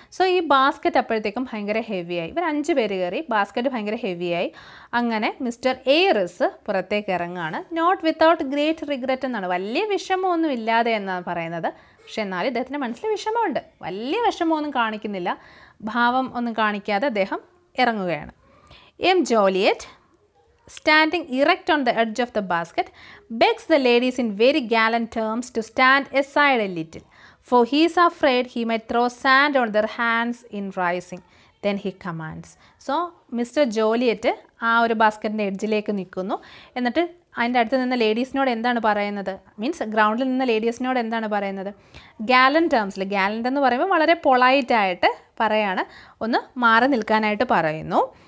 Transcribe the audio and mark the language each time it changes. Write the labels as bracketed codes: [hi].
[ml] So ഈ basket അപ്പോഴത്തേക്കും ഭയങ്കര ഹെവിയായി, ഇവർ 5 പേര് കയറി, ബാസ്ക്കറ്റ് ഭയങ്കര ഹെവിയായി. അങ്ങനെ മിസ്റ്റർ എയറിസ് പുറത്തേക്ക് ഇറങ്ങുകയാണ്, [en] not without great regret [ml] എന്നാണ്, വലിയ വിഷമമൊന്നും ഇല്ലാതെ എന്നാണ് പറയുന്നത്. പക്ഷെ എന്നാലും ഇദ്ദേഹത്തിൻ്റെ മനസ്സിൽ വിഷമമുണ്ട്, വലിയ വിഷമമൊന്നും കാണിക്കുന്നില്ല, ഭാവം ഒന്നും കാണിക്കാതെ അദ്ദേഹം ഇറങ്ങുകയാണ്. [en] M. Joliet, standing erect on the edge of the basket, begs the ladies in very gallant terms to stand aside a little, for he is afraid he might throw sand on their hands in rising. Then he commands. So, Mr. [ml] Joliet, ആ ഒരു ബാസ്കറ്റിൻ്റെ എഡ്ജിലേക്ക് നിൽക്കുന്നു. എന്നിട്ട് അതിൻ്റെ അടുത്ത് നിന്ന് ലേഡീസിനോട് എന്താണ് പറയുന്നത്? Means ഗ്രൗണ്ടിൽ നിന്ന് ലേഡീസിനോട് എന്താണ് പറയുന്നത്? ഗാലൻ ടേംസിൽ, ഗാലൻ്റ് എന്ന് പറയുമ്പോൾ വളരെ പൊളൈറ്റായിട്ട് പറയാണ്, ഒന്ന് മാറി നിൽക്കാനായിട്ട് പറയുന്നു.